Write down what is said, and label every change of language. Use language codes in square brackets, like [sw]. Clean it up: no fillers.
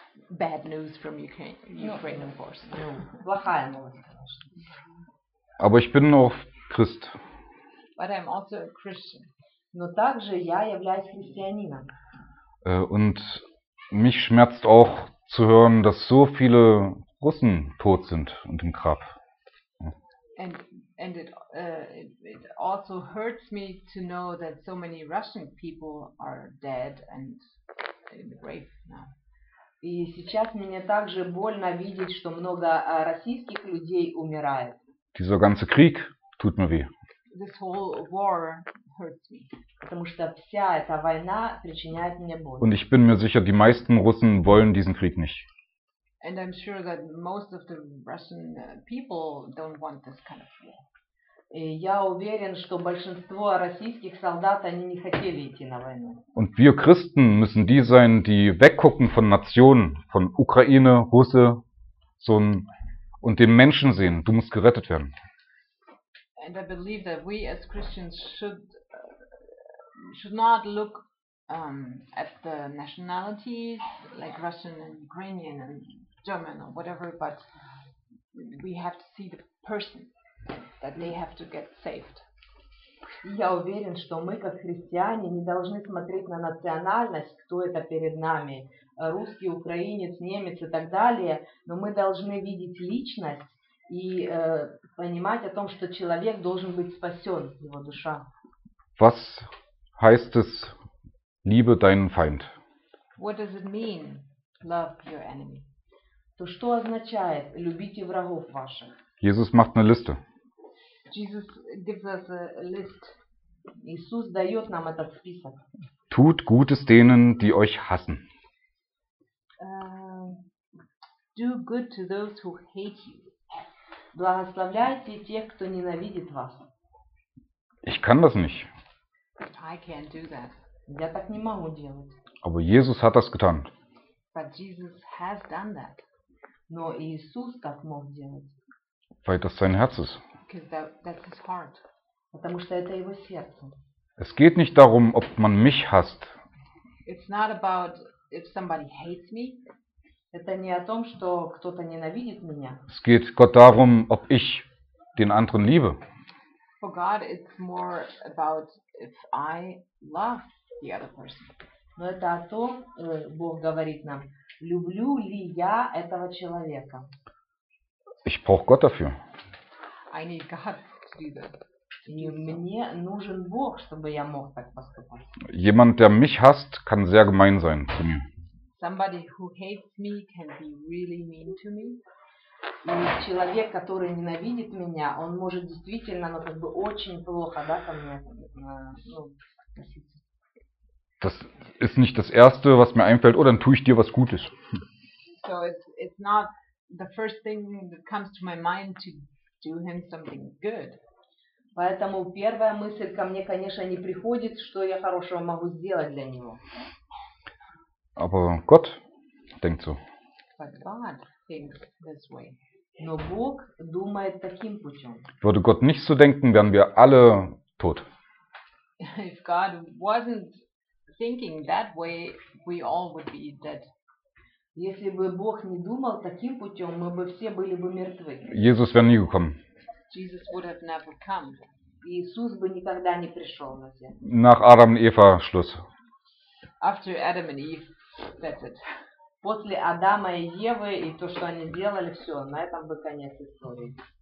[en] Bad news from Ukraine, of course. [ru] Плохая новость. [de] Aber ich bin auch Christ. [en] But I'm also a Christian. [ru] Но также я являюсь христианином. [de] Und mich schmerzt auch zu hören, dass so viele Russen tot sind und im Grab. [en] And it also hurts me to know that so many Russian people are dead and in the grave now. [ru] И сейчас мне также больно видеть, что много российских людей умирает. [de] Dieser ganze Krieg tut mir weh. [en] This whole war hurts me. [ru] Потому что вся эта война причиняет мне боль. [de] Und ich bin mir sicher, die meisten Russen wollen diesen Krieg nicht. [en] And I'm sure that most of the Russian people don't want this kind of war. [ru] И я уверен, что большинство российских солдат они не хотели идти на войну. [de] Und wir Christen müssen die sein, die weggucken von Nationen, von Ukraine, Russe, so ein, und den Menschen sehen. Du musst gerettet werden. [en] And I believe that we as Christians should not look at the nationalities like Russian and Ukrainian and German or whatever, but we have to see the person. That they have to get saved. [ru] Я уверен, что мы как христиане не должны смотреть на национальность, кто это перед нами, русский, украинец, немец и так далее, но мы должны видеть личность и понимать о том, что человек должен быть спасен, его душа. [de] Was heißt es, liebe deinen Feind? [en] What does it mean, love your enemy? [ru] То что означает, любите врагов ваших? [de] Jesus macht eine Liste. [en] Jesus gives us a list. [ru] Иисус дает нам этот список. [de] Tut Gutes denen, die euch hassen. [en] Do good to those who hate you. [ru] Благословляйте тех, кто ненавидит вас. [de] Ich kann das nicht. [en] I can't do that. [ru] Я так не могу делать. [de] Aber Jesus hat das getan. [en] But Jesus has done that. [ru] Но Иисус так мог делать. [de] Weil das sein Herz ist. [en] Because that's his heart. [ru] Потому что это его сердце. [de] Es geht nicht darum, ob man mich hasst. [en] It's not about if somebody hates me. [ru] Это не о том, что кто-то ненавидит меня. [de] Es geht Gott darum, ob ich den anderen liebe. [en] For God, it's more about if I love the other person. [ru] Но это о том, Бог говорит нам, люблю ли я этого человека. [de] Ich brauche Gott dafür. [en] I need God to do that. [ru] И мне нужен Бог, чтобы я мог так поступать. [de] Jemand, der mich hasst, kann sehr gemein sein zu mir. [en] Somebody who hates me can be really mean to me. [ru] И человек, который ненавидит меня, он может действительно, ну, как бы очень плохо, да, ко мне, относиться. [de] Das ist nicht das Erste, was mir einfällt. Oh, dann tue ich dir was Gutes. [en] So it's not the first thing that comes to my mind to do him something good. [ru] Поэтому первая мысль ко мне, конечно, не приходит, что я хорошего могу сделать для него. [de] Aber Gott denkt so. [en] But God thinks this way. [ru] Но Бог думает таким путем. [de] Würde Gott nicht so denken, wären wir alle tot. [en] If God wasn't thinking that way, we all would be dead. [ru] Если бы Бог не думал таким путем, мы бы все были бы мертвы. [de] Jesus wäre nie gekommen. [en] Jesus would have never come. [ru] Иисус бы никогда не пришел на землю. [de] Nach Adam und Eva Schluss. [en] After Adam and Eve, that's it. [ru] После Адама и Евы и то, что они делали, все, на этом бы конец истории.